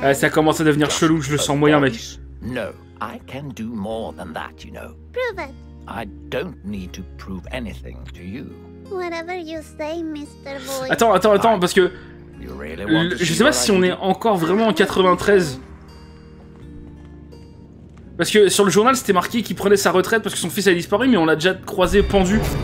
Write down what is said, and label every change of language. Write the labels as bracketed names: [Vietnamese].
[French] Ah, ça commence à devenir chelou, je le sens moyen, mec. [English] No, I can do more than that, you know. Prove it. I don't need to prove anything to you. Whatever you say, Mr. Boy. [French] Attends, parce que... je sais pas si on est encore vraiment en 93. Parce que sur le journal, c'était marqué qu'il prenait sa retraite parce que son fils a disparu, mais on l'a déjà croisé pendu.